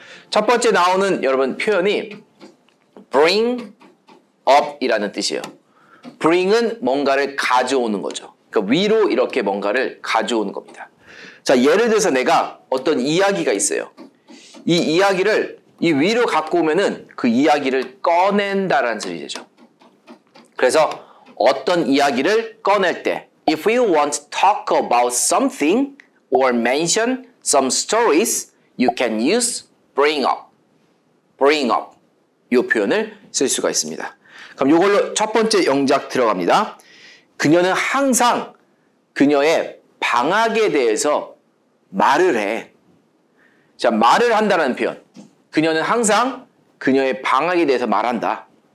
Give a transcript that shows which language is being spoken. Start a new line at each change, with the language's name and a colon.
Korean: 첫 번째 나오는 여러분 표현이 bring up 이라는 뜻이에요. bring은 뭔가를 가져오는 거죠. 그러니까 위로 이렇게 뭔가를 가져오는 겁니다. 자, 예를 들어서 내가 어떤 이야기가 있어요. 이 이야기를 이 위로 갖고 오면은 그 이야기를 꺼낸다라는 뜻이 되죠. 그래서 어떤 이야기를 꺼낼 때
English: If you want to talk about something or mention some stories, you can use bring up. bring up.
Korean: 이 표현을 쓸 수가 있습니다. 그럼 이걸로 첫 번째 영작 들어갑니다. 그녀는 항상 그녀의 방학에 대해서 말을 해. 자, 말을 한다라는 표현. 그녀는 항상 그녀의 방학에 대해서 말한다.